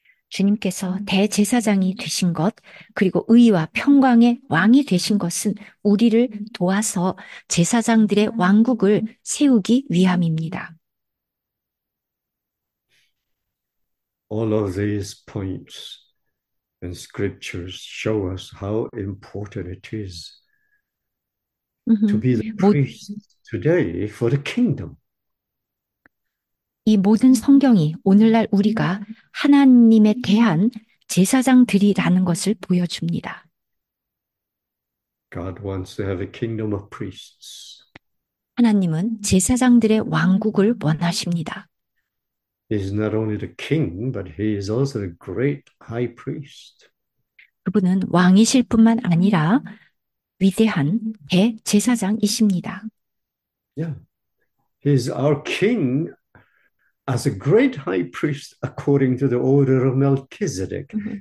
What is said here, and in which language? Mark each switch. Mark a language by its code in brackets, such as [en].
[ko] 주님께서 대제사장이 되신 것, 그리고 의와 평강의 왕이 되신 것은 우리를 도와서 제사장들의 왕국을 세우기 위함입니다. [en] All of these points and scriptures show us how important it is to be the priest today for the kingdom. [ko] 이 모든 성경이 오늘날 우리가 하나님에 대한 제사장들이라는 것을 보여줍니다. [en] God wants to have a kingdom of priests. [ko] 하나님은 제사장들의 왕국을 원하십니다. [en] He is not only the king, but he is also the great high priest. [ko] 그분은 왕이실 뿐만 아니라 위대한 대제사장이십니다. [en] Yeah. He is our king as a great high priest according to the order of Melchizedek.